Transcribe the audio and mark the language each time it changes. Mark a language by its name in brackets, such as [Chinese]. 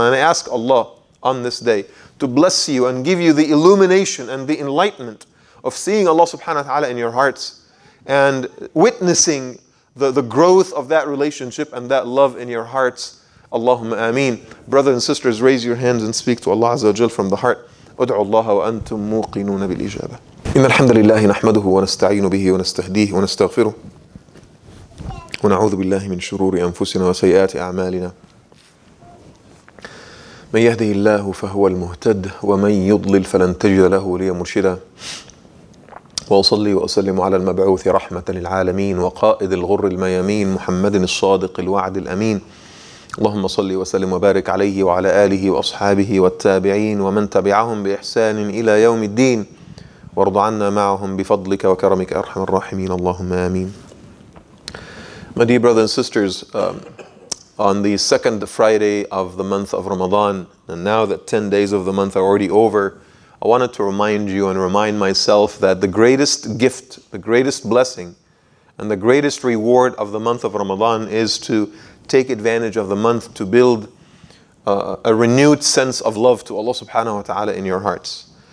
[English] And I ask Allah on this day to bless you and give you the illumination and the enlightenment of seeing Allah subhanahu wa ta'ala in your hearts and witnessing the growth of that relationship and that love in your hearts. Allahumma ameen. Brothers and sisters, raise your hands and speak to Allah Azza wa Jal from the heart. [Arabic] أدعو الله وأنتم موقنون بالإجابة. إن الحمد لله نحمده ونستعين به ونستهديه ونستغفره ونعوذ بالله من شرور أنفسنا وسيئات أعمالنا. من يهده الله فهو المهتد ومن يضلل فلن تجد له وليا مرشدا. وأصلي وأسلم على المبعوث رحمة للعالمين وقائد الغر الميامين محمد الصادق الوعد الأمين. اللهم صل وسلم وبارك عليه وعلى آله وأصحابه والتابعين ومن تبعهم بإحسان إلى يوم الدين وارض عنا معهم بفضلك وكرمك أرحم الراحمين اللهم آمين. [English] My dear brothers and sisters, on the second Friday of the month of Ramadan, and now that 10 days of the month are already over, I wanted to remind you and remind myself that the greatest gift, the greatest blessing, and the greatest reward of the month of Ramadan is to take advantage of the month to build a renewed sense of love to Allah subhanahu wa ta'ala in your hearts.